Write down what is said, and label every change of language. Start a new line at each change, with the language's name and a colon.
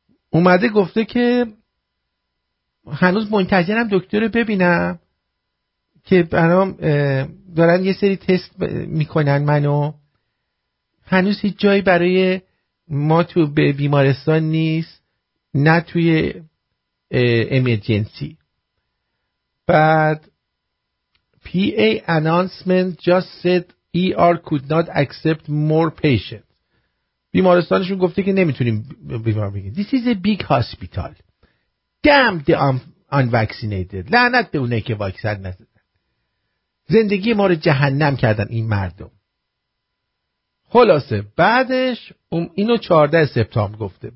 Persian: اومده گفته که هنوز منتظرم دکتر رو ببینم که برام دارن یه سری تست میکنن منو، هنوز هیچ جایی برای ما تو بیمارستان نیست، نه توی امرجنسی. بعد
English: PA announcement just said ER could not accept more patients.
Persian: بیمارستانشون گفته که نمیتونیم بیمار بگیریم.
English: This is a big hospital. Damn the unvaccinated.
Persian: لعنت به اونه که واکسن نزدن. زندگی ما رو جهنم کردن این مردم. خلاصه بعدش اینو 14 سپتامبر گفته.